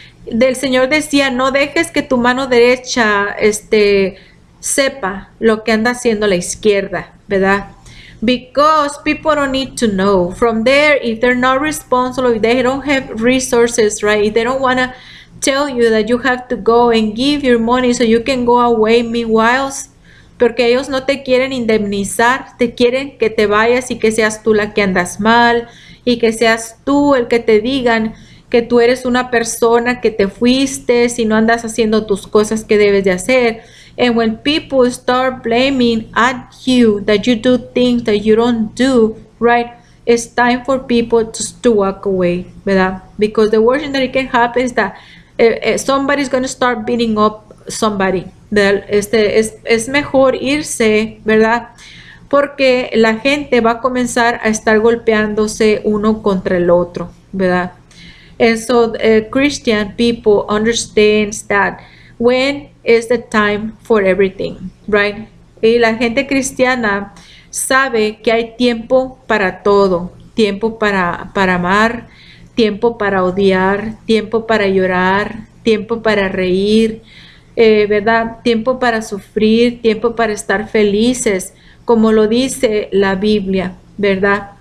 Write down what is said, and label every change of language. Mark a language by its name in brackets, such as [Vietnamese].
[Spanish] Del Señor decía, no dejes que tu mano derecha sepa lo que anda haciendo la izquierda, ¿verdad? [English] Because people don't need to know. From there, if they're not responsible, if they don't have resources, right? If they don't want to tell you that you have to go and give your money so you can go away meanwhile, [Spanish] porque ellos no te quieren indemnizar, te quieren que te vayas y que seas tú la que andas mal, y que seas tú el que te digan que tú eres una persona que te fuiste si no andas haciendo tus cosas que debes de hacer. [English] And when people start blaming at you that you do things that you don't do, right? It's time for people just to walk away, ¿verdad? Because the worst thing that can happen is that somebody's going to start beating up somebody. [Spanish] Es mejor irse, ¿verdad? Porque la gente va a comenzar a estar golpeándose uno contra el otro, ¿verdad? [English] And so Christian people understands that when is the time for everything, right? [Spanish] Y la gente cristiana sabe que hay tiempo para todo. Tiempo para amar, tiempo para odiar, tiempo para llorar, tiempo para reír, ¿verdad? Tiempo para sufrir, tiempo para estar felices, como lo dice la Biblia, ¿verdad?